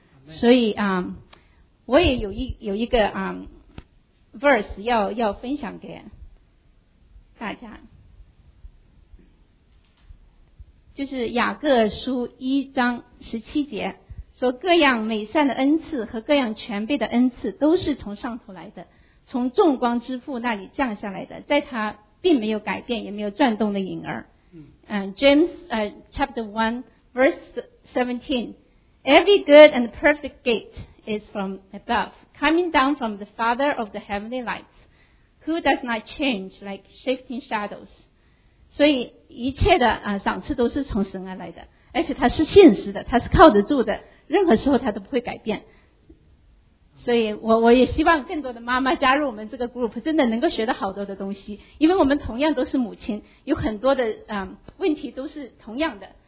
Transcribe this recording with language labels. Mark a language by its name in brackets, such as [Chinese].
[Chinese] 所以我也有一个verse 要分享给大家，就是雅各书一章十七节说，各样美善的恩赐和各样全备的恩赐都是从上头来的，从众光之父那里降下来的，在他并没有改变也没有转动的影儿。 [English] James chapter 1 verse 17， Every good and perfect gate is from above, coming down from the Father of the heavenly lights, who does not change like shifting shadows. [Chinese] 所以一切的赏赐都是从神而来的，而且它是现实的，它是靠得住的，任何时候它都不会改变。所以我也希望更多的妈妈加入我们这个 group， 真的能够学到好多的东西，因为我们同样都是母亲，有很多的问题都是同样的。